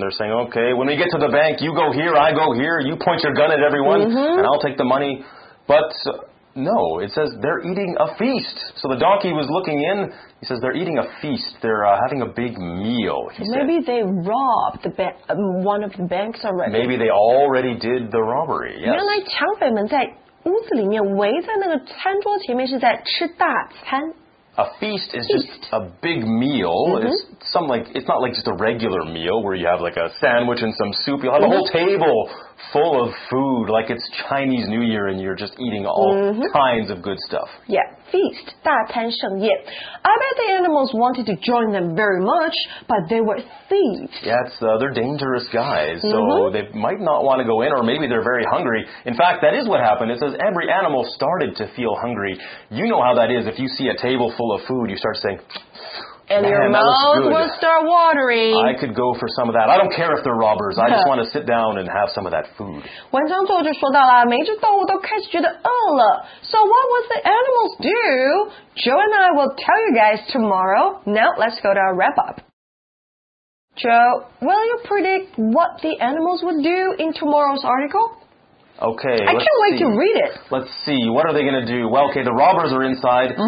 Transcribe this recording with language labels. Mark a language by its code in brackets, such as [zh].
[en] They're saying, okay, when we get to the bank, you go here, I go here, you point your gun at everyone, and I'll take the money. But... No, it says they're eating a feast. So the donkey was looking in. He says they're eating a feast. They're having a big meal, Maybe they robbed one of the banks already. Maybe they already did the robbery, yes. [zh] 原来抢匪们在屋子里面围在那个餐桌前面是在吃大餐。 [en] A feast is just a big meal. It's not like just a regular meal where you have like a sandwich and some soup. You'll have a whole table full of food like it's Chinese New Year and you're just eating all kinds of good stuff. Yeah, feast, [zh] 大餐盛宴. [en] I bet the animals wanted to join them very much, but they were thieves. Yeah, they're dangerous guys, so they might not want to go in or maybe they're very hungry. In fact, that is what happened. It says every animal started to feel hungry. You know how that is if you see a table. Full of food, you start saying, and your mouth will start watering. I could go for some of that. I don't care if they're robbers. I just want to sit down and have some of that food. [zh] 文章最后就说到了，每只动物都开始觉得饿了。 [en] So what would the animals do? Joe and I will tell you guys tomorrow. Now let's go to our wrap up. Joe, will you predict what the animals would do in tomorrow's article? Okay, I can't wait to read it. Let's see. What are they going to do? Well, okay, the robbers are inside.